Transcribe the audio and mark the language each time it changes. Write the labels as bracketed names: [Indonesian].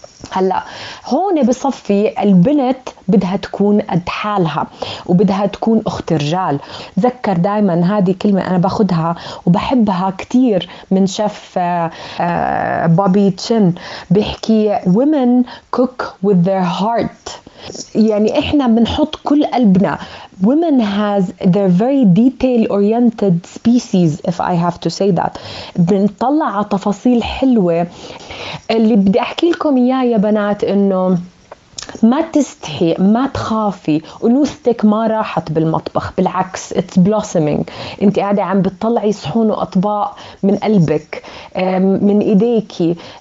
[Arabic] هلا هون بصفي البنت بدها تكون قد حالها، وبدها تكون اخت رجال. ذكر دائما هذه كلمه انا باخذها وبحبها كثير من شيف بوبي تشين، بيحكي [English] women cook with their heart. [Arabic] يعني احنا بنحط كل قلبنا. [English] Women has their very detail oriented species if I have to say that. [Arabic] بنطلع على تفاصيل حلوة. اللي بدي احكي لكم اياه يا بنات انه ما تستحي، ما تخافي، أنوثتك ما راحت بالمطبخ، بالعكس [English] it's blossoming. [Arabic] انت قاعدة عم بتطلعي صحون وأطباق من قلبك، من إيديكي.